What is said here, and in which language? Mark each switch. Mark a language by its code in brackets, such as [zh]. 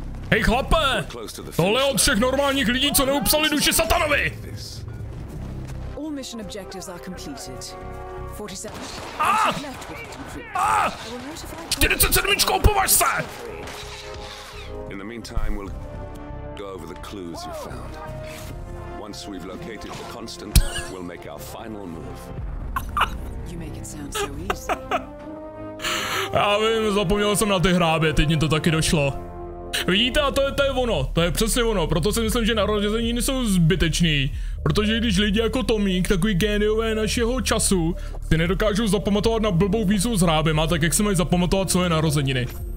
[cs] Hej chlape, tohle je od všech normálních lidí, co neupsali duši satanovi! [en] Mission objectives are completed. 47. Ah! Ah! 47. In the meantime, we'll go over the clues you found. Once we've located the constant, we'll make our final move. You make it sound so easy. [cs] Já vím, zapomněl jsem na ty hráby, teď mi to taky došlo. Vidíte, a to je ono, to je přesně ono, proto si myslím, že narozeniny jsou zbytečný. Protože když lidi jako Tomík, takový géniové našeho času, si nedokážou zapamatovat na blbou výzvu s hrábima, tak jak si mají zapamatovat svoje narozeniny?